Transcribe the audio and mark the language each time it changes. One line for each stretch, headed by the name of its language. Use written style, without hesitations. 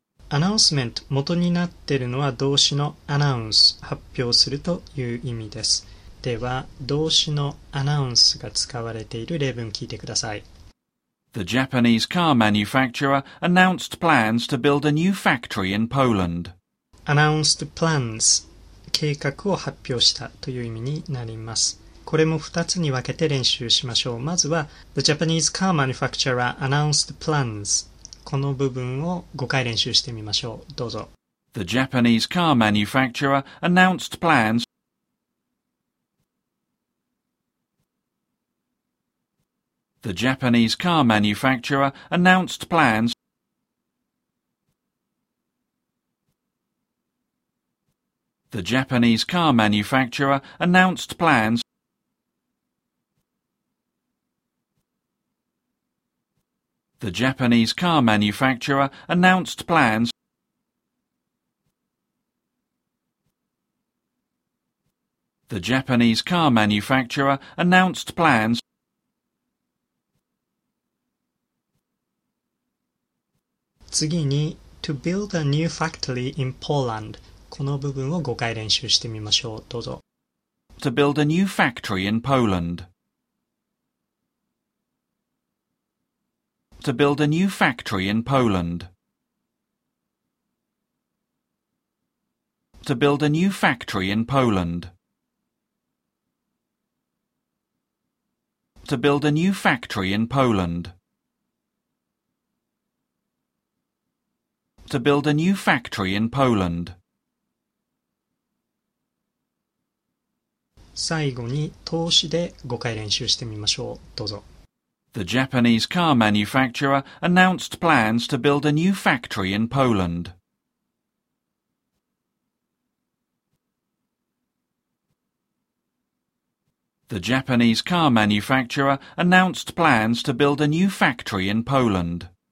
Japanese: アナウンスメント、元になっているのは動詞のアナウンス、発表するという意味です。では、動詞のアナウンスが使われている例文聞いてください。
English: The Japanese car manufacturer announced plans to build a new factory in Poland. Announced plans、
Japanese: 計画を発表したという意味になります。これも2つに分けて練習しましょう。まずは、
English: The Japanese car manufacturer announced plans。
Japanese: この部分を5回練習してみましょう。どうぞ。
English: The Japanese car manufacturer announced plans. The Japanese car manufacturer announced plans. The Japanese car manufacturer announced plans. The Japanese car manufacturer announced plans. The Japanese car manufacturer announced plans. Next, to build a new factory in Poland.
Japanese: この部分を5回練習してみましょう。どうぞ。
English: To build a new factory in Poland. To build a new factory in Poland. To build a new factory in Poland. To build a new factory in Poland. To build a new factory in Poland.
Japanese: 最後に投資で5回練習してみましょう。どうぞ。
English: The Japanese car manufacturer announced plans to build a new factory in Poland. The Japanese car manufacturer announced plans to build a new factory in Poland.